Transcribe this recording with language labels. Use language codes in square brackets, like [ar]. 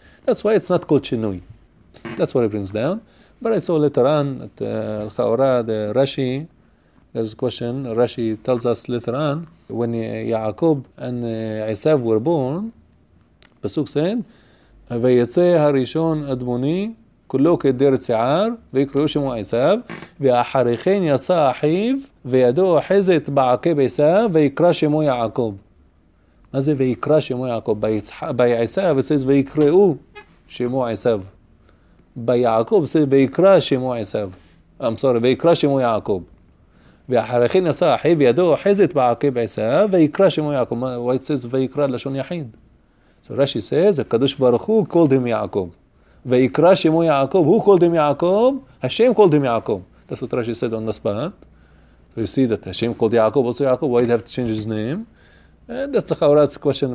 [en] That's why it's not called Shinui. That's what it brings down. But I saw later on, at Al-Khawra, the Rashi, there's a question, Rashi tells us later on, when Yaakov and Esav were born, [he] פסוק סיין, ויצא הראשון אדמוני, כולו כדר ציער, ויקראו שמו עשיו, ואחריכן יצא אחיו, וידו אוחזת בעקב עשיו, ויקרא שמו יעקב. מה זה ויקרא שמו יעקב? בעשיו, [en] says, [he] ויקראו שמו עשיו. ביעקב, says, ויקרא שמו עשיו. [en] I'm sorry, [he] ויקרא שמו יעקב. ואחריכן יצא אחיו, וידו אוחזת בעקב עשיו, ויקרא שמו יעקב. [en] Why it says, [he] ויקרא לשון יחיד? [en] So Rashi says, HaKadosh Baruch Hu called him Yaakov. Ve'ikra Shemo Yaakov. Who called him Yaakov? Hashem called him Yaakov. That's what Rashi said on the spot. So you see that Hashem called Yaakov, also Yaakov. Why did he have to change his name? That's the Chavrat's question.